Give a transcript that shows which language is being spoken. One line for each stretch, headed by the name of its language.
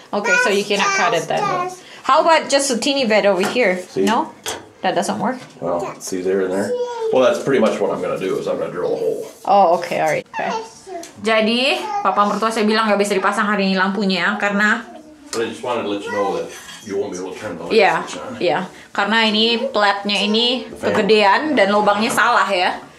English: Okay, so you cannot cut it then. How about just a teeny bit over here? See? No? That doesn't work? Well, see there and there? Well, that's pretty much what I'm going to do is I'm going to drill a hole. Oh, okay. All right. Okay.
Indonesian: Jadi, papa mertua saya bilang gak bisa dipasang hari ini lampunya karena...
English: But I just wanted to let you know that you won't be able to turn the lights on.
Indonesian: Iya, karena ini platnya ini kegedean dan lubangnya salah ya.